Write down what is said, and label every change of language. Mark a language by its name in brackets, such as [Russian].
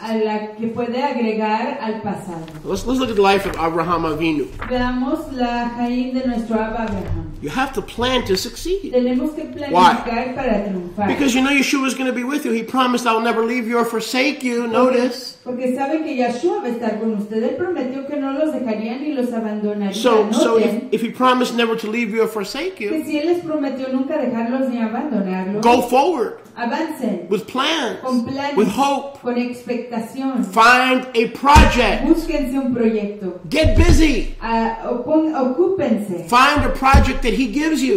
[Spanish] A la que puede agregar al pasado. [English] Let's look at the life of Abraham Avinu. [Spanish] Veamos la Jaim de nuestro Abraham. [English] You have to plan to succeed. [Spanish] Tenemos que planificar. [English] Why? [Spanish] Para triunfar. [English] Because you know Yeshua is going to be with you. He promised, I'll never leave you or forsake you. Notice. [Spanish] Porque sabe que Yeshua va a estar con usted. Él prometió que no los dejaría ni los abandonaría. [English] So if he promised never to leave you or forsake you, [Spanish] que si él les prometió nunca dejarlos ni abandonarlos, [English] go forward. [Spanish] Avancen. [English] With plans. [Spanish] Con planes. [English] With hope. [Spanish] Con expectación. [English] Find a project. [Spanish] Búsquense un proyecto. [English] Get busy. [Spanish] Ocúpense. [English] Find a project that he gives you.